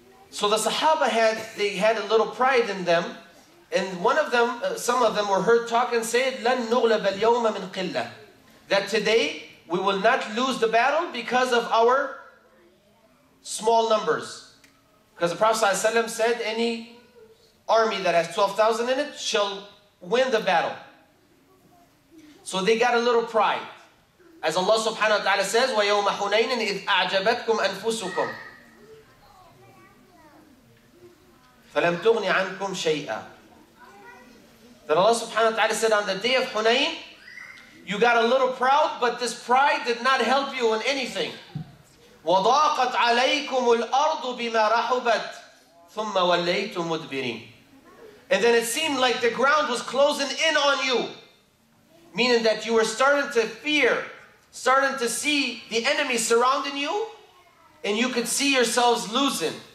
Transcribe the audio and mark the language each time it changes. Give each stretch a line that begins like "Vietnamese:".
English: So the Sahaba had a little pride in them, and some of them were heard talking, saying,
Arabic: "Lan nughlab al-yawma min qilla,"
English: that today we will not lose the battle because of our small numbers. Because the Prophet ﷺ said, any army that has 12,000 in it shall win the battle. So they got a little pride. As Allah subhanahu wa ta'ala says,
Arabic: وَيَوْمَ حُنَيْنٍ إِذْ أَعْجَبَتْكُمْ أَنفُسُكُمْ فَلَمْ تُغْنِ عَنْكُمْ شَيْئًا.
English: That Allah subhanahu wa ta'ala said, on the day of Hunayn, you got a little proud, but this pride did not help you in anything.
Arabic: وَضَاقَتْ عَلَيْكُمُ الْأَرْضُ بِمَا رَحُبَتْ ثُمَّ وَلَّيْتُمْ مُدْبِرِينَ.
English: And then it seemed like the ground was closing in on you, meaning that you were starting to fear, starting to see the enemy surrounding you, and you could see yourselves losing.